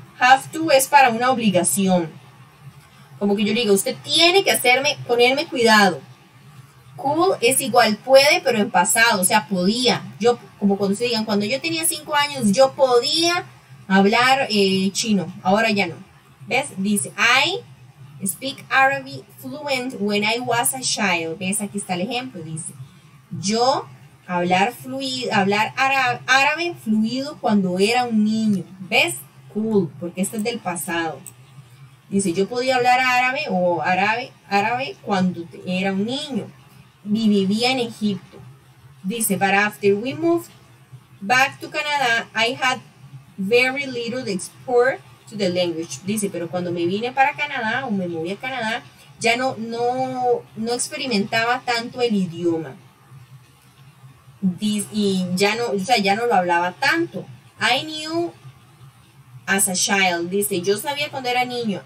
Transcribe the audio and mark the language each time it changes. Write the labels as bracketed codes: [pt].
[es] Have to es para una obligación. Como que yo digo, usted tiene que ponerme cuidado. Could es igual puede, pero en pasado. O sea, podía. Yo, como cuando se digan, cuando yo tenía 5 años, yo podía hablar chino. Ahora ya no. ¿Ves? [en] Dice, I speak Arabic fluent when I was a child. [es] ¿Ves? Aquí está el ejemplo. Dice, yo hablar árabe fluido cuando era un niño. ¿Ves? Cool, porque este es del pasado. Dice, yo podía hablar árabe cuando era un niño. Vivía en Egipto. [en] Dice, but after we moved back to Canada, I had very little exposure to the language. [es] Dice, pero cuando me vine para Canadá o me moví a Canadá, ya no experimentaba tanto el idioma. Y ya no, o sea, ya no lo hablaba tanto. I knew as a child. Dice, yo sabía cuando era niño.